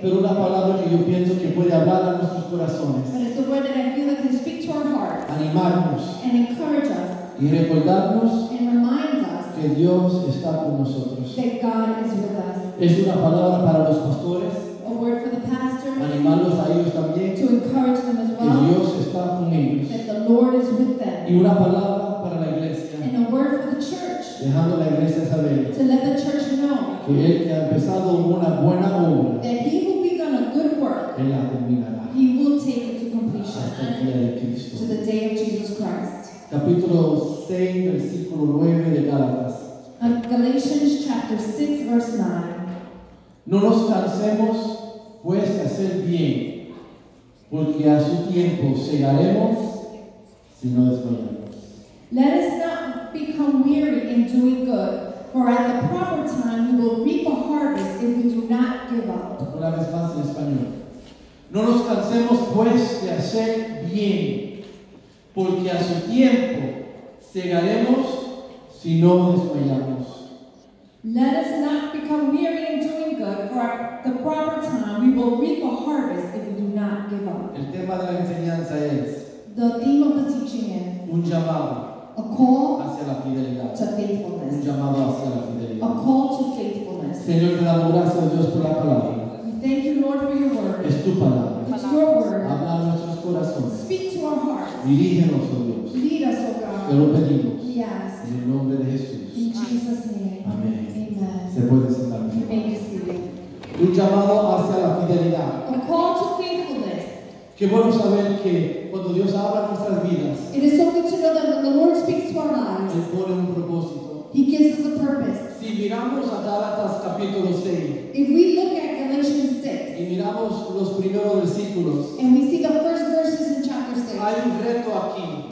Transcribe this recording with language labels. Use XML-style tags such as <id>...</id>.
<es>Pero una palabra que yo pienso que puede hablar a nuestros corazones.</es> <en>But it's a word that I feel that can speak to our hearts.</en> <es>Animarnos.</es> <en>And encourage us.</en> <es>Y recordarnos.</es> <en>And remind us.</en> <es>Que Dios está con nosotros.</es> <en>That God is with us.</en> <es>Es una palabra para los pastores.</es> <en>A word for the pastor.</en> <es>Animarlos a ellos también.</es> <en>To encourage them as well.</en> <es>Que Dios está con ellos.</es> <en>That the Lord is with them.</en> <es>Y una palabra para la iglesia.</es> <en>And a word for the church.</en> <es>Dejando la iglesia saber.</es> <en>To let the church know.</en> <es>Que él que ha empezado una buena obra.</es> <en>That he will be done a good work.</en> <es>Él la terminará.</es> <en>He will take it to completion.</en> <es>Hasta el día de Cristo.</es> <en>To the day of Jesus Christ.</en> <es>Capítulo 6, versículo 9 de Gálatas.</es> <en>Galatians chapter 6, verse 9.</en> <es>No nos cansemos, pues, de hacer bien. Porque a su tiempo segaremos, si no desmayamos.</es> <en>Let us not become weary in doing good, for at the proper time we will reap a harvest if we do not give up.</en> <es>Una vez más en español. No nos cansemos pues de hacer bien, porque a su tiempo segaremos si no desmayamos.</es> <en>Let us not become weary in doing good, for at the proper time we will reap a harvest if we do not give up.</en> <es>El tema de la enseñanza es.</es> <en>The theme of the teaching is.</en> <es>Un llamado.</es> <en>A call</en> <es>hacia la fidelidad.</es> <en>To faithfulness.</en> <es>Un llamado hacia la fidelidad.</es> <en>A call to faithfulness.</en> <es>Señor, te damos gracias a Dios por la palabra.</es> <en>Thank you, Lord, for your word.</en> <es>Es tu palabra.</es> <en>It's your word.</en> <es>Habla a nuestros corazones.</es> <en>Speak to our hearts.</en> <es>Dirígenos, oh Dios.</es> <en>Lead us, oh God.</en> <es>Te lo pedimos.</es> <en>Yes.</en> <es>En el nombre de Jesús.</es> <en>In Jesus' name.</en> <es>Amén.</es> <en>Amen.</en> <es>Se puede sentar.</es> <en>You may be seated.</en> <es>Un llamado hacia la fidelidad.</es> <en>A call to faithfulness.</en> <es>Qué bueno saber que cuando Dios habla nuestras vidas.</es> <en>It is so good to know that when the Lord speaks to our lives.</en> <es>Él pone un propósito.</es> <en>He gives us a purpose.</en> <es>Si miramos a Gálatas capítulo 6.</es> <en>If we look at Galatians 6.</en> <es>Y miramos los primeros versículos.</es> <en>And we see the first verses in chapter 6.</en> <es>Hay un reto aquí.</es>